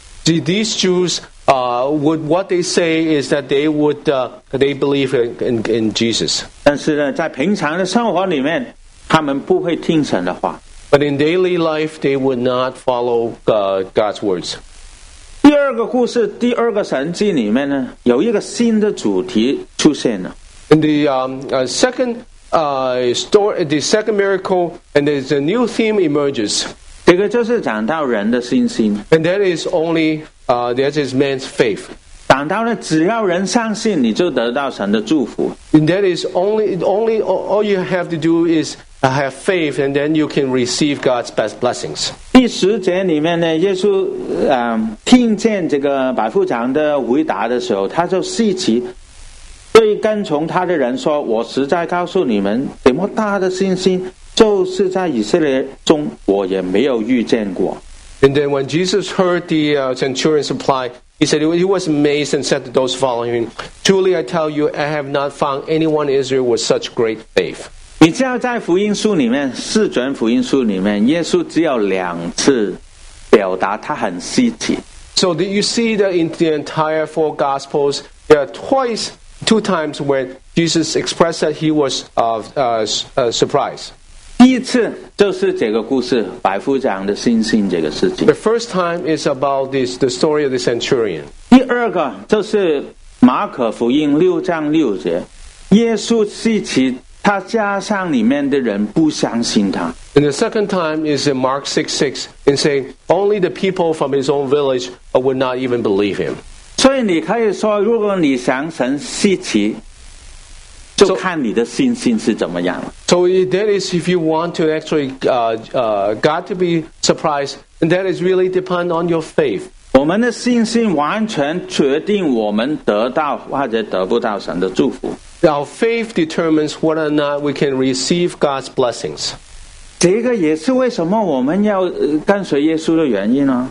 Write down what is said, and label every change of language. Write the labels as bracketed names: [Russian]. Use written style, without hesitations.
[English] These Jews would what they say is that they would they believe in Jesus. [Chinese] 但是呢，在平常的生活里面，他们不会听神的话。 [English] But in daily life, they would not follow God's words. [Chinese] 第二个故事，第二个神迹里面呢，有一个新的主题出现了。 [English] In the second story, the second miracle, and there's a new theme emerges. [Chinese] 这个就是讲到人的信心。 [English] And that is only that is man's faith. [Chinese] 讲到了，只要人相信，你就得到神的祝福。 [English] And that is only all you have to do is have faith, and then you can receive God's best blessings. [Chinese] 第十节里面呢，耶稣听见这个百夫长的回答的时候，他就稀奇，对跟从他的人说：“我实在告诉你们，这么大的信心，就是在以色列中，我也没有遇见过。” [English] And then when Jesus heard the centurion's reply, he said he was amazed and said to those following him, "Truly, I tell you, I have not found anyone in Israel with such great faith." [Chinese] 你知道在福音书里面四卷福音书里面耶稣只有两次表达他很稀奇 [English] So did you see that in the entire four gospels there are two times when Jesus expressed that he was surprised [Chinese] 第一次就是这个故事百夫长的信心这个事情 [English] The first time is about the story of the centurion [Chinese] 第二个就是马可福音6:6耶稣稀奇他家乡里面的人不相信他。 [English] And the second time is in Mark 6:6, and saying only the people from his own village would not even believe him. [Chinese] 所以你可以说，如果你想神稀奇，就看你的信心是怎么样了。 [English] So that is if you want to actually God to be surprised, that is really depend on your faith. [Chinese] 我们的信心完全决定我们得到或者得不到神的祝福。 [English] Our faith determines whether or not we can receive God's blessings. [Chinese] 这个也是为什么我们要跟随耶稣的原因呢？